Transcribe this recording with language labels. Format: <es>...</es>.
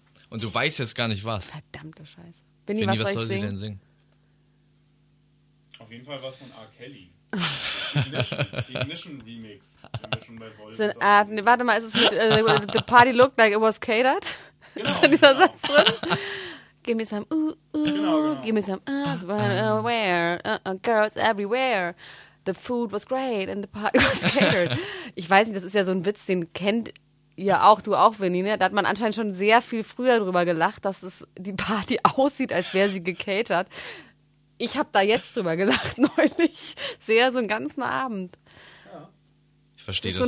<de>Und du weißt jetzt gar nicht was. Verdammte Scheiße. Bin ich, was soll ich singen? Sie denn singen? Auf jeden Fall was von R. Kelly. Ignition Remix. Wenn wir schon bei Wolf sind, warte mal, ist es mit</de> <en>The Party Looked Like It Was Catered?</en> <de>Genau, ist dieser genau. Satz drin?</de> <en>Give me some give me some where girls everywhere. The food was great and the party was catered.</en> <de>Ich weiß nicht, das ist ja so ein Witz, den kennt ihr auch, du auch, Vinny. Ne? Da hat man anscheinend schon sehr viel früher drüber gelacht, dass es die Party aussieht, als wäre sie gecatert. Ich habe da jetzt drüber gelacht, neulich. Sehr, so einen ganzen Abend. Ja. Ich verstehe das,</de>